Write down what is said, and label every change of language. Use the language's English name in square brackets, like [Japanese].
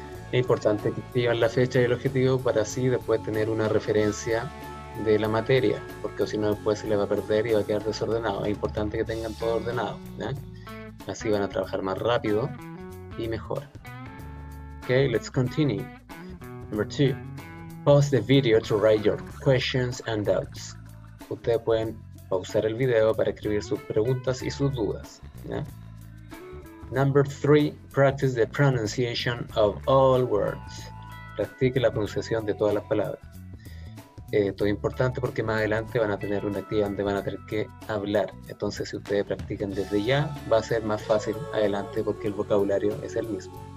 [Spanish] Es importante que escriban la fecha y el objetivo para así después tener una referencia de la materia, porque si no después se le va a perder y va a quedar desordenado. Es importante que tengan todo ordenado, ¿eh? Así van a trabajar más rápido y mejor. [English] Okay, let's continue. Number two, pause the video to write your questions and doubts. [Spanish] Ustedes pueden pausar el video para escribir sus preguntas y sus dudas. ¿Ya? [English] Number three, practice the pronunciation of all words. [Spanish] Practique la pronunciación de todas las palabras. Esto es importante porque más adelante van a tener una actividad donde van a tener que hablar. Entonces, si ustedes practican desde ya, va a ser más fácil adelante porque el vocabulario es el mismo.